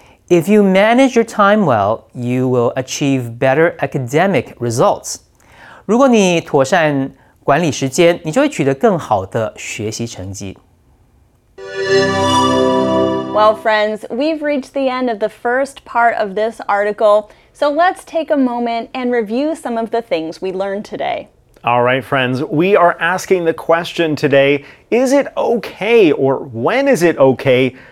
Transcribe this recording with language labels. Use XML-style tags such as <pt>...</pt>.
<en>If you manage your time well, you will achieve better academic results.</en> <zh>如果你妥善管理时间，你就会取得更好的学习成绩。</zh> <en>Well, friends, we've reached the end of the first part of this article, so let's take a moment and review some of the things we learned today. All right, friends, we are asking the question today, is it okay or when is it okay?</en>